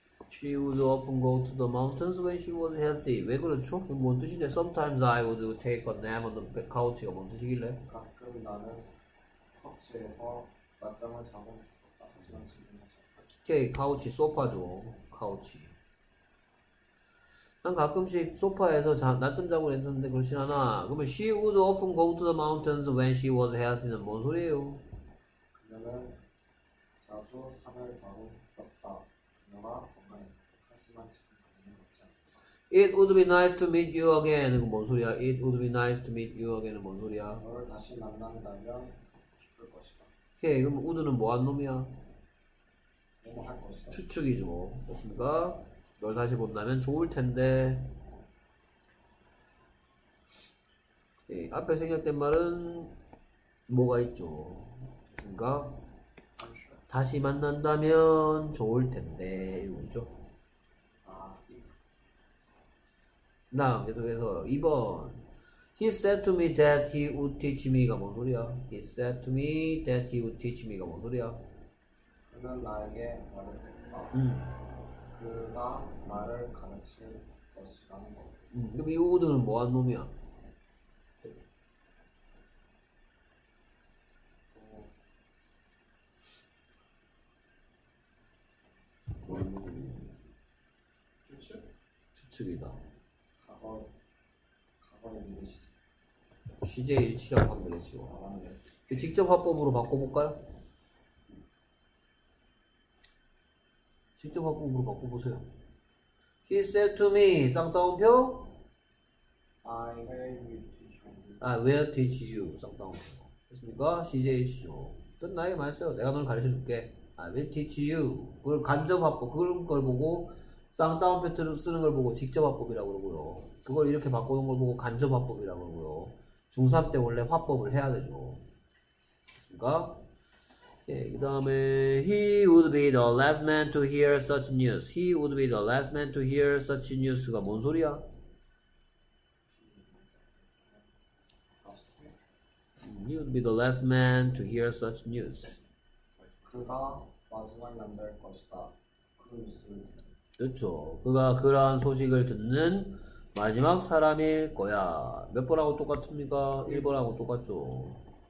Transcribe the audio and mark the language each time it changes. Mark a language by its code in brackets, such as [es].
[en] She would often go to the mountains when she was healthy. [ko] 왜 그렇죠? 뭔 뜻인데? [en] Sometimes I would take a nap on the couch. [ko] 뭔 뜻이길래? 가끔 나는 커치에서 낮잠을 자곤 했어. 오케이, 카우치, 소파죠. 카우치. 난 가끔씩 소파에서 자, 낮잠 자고 있었는데 그렇진 않아. 그러면 [en] she would often go to the mountains when she was healthy는 [ko] 뭔 소리예요? 그녀는 자주 산을 가고 있었다. 그녀가 건강했었다. 하지만 지금 건강을 걷지 않았다. [en] It would be nice to meet you again. [ko] 이건 뭔 소리야? [en] It would be nice to meet you again은 [ko] 뭔 소리야? 너를 다시 만난다면 기쁠 것이다. 오케이, 그럼 우드는 뭐한 놈이야? 뭐 할 것이다. 추측이죠. 그렇습니까? 널 다시 본다면 좋을 텐데. 예, 앞에 생략된 말은 뭐가 있죠? 그니까 다시 만난다면 좋을 텐데 이거죠. 나 계속해서 2번. [en] He said to me that he would teach me가 [ko] 뭔 소리야? [en] He said to me that he would teach me가 뭔 소리야? [ko] 그는 나에게 말했습니다. 그가 말을 가르칠 것이라는 것. 그럼 이 우드는 뭐 하는 놈이야? 추측? 추측이다. 과거, 과거의 미래시죠. 시제 일치라고 하면 되겠죠. 직접 화법으로 바꿔볼까요? 직접 화법으로 바꿔보세요. [en] He said to me, [ko] 쌍따옴표? [en] I will teach you. I will teach you, [ko] 쌍따옴표. 됐습니까? 시제이시죠. 끝나게 말했어요. 내가 너를 가르쳐 줄게. [en] I will teach you. [ko] 그걸 간접 화법, 그걸 보고, 쌍따옴표 쓰는 걸 보고 직접 화법이라고 그러고요. 그걸 이렇게 바꾸는 걸 보고 간접 화법이라고 그러고요. 중3 때 원래 화법을 해야 되죠. 됐습니까? 예, 그 다음에 [en] He would be the last man to hear such news. He would be the last man to hear such news가 [ko] 뭔 소리야? [en] 네. He would be the last man to hear such news. [ko] 그가 마지막 남자일 것이다. 그 뉴스. 그렇죠. 그가 그러한 소식을 듣는 마지막 사람일 거야. 몇 번하고 똑같습니까? 1번하고 똑같죠.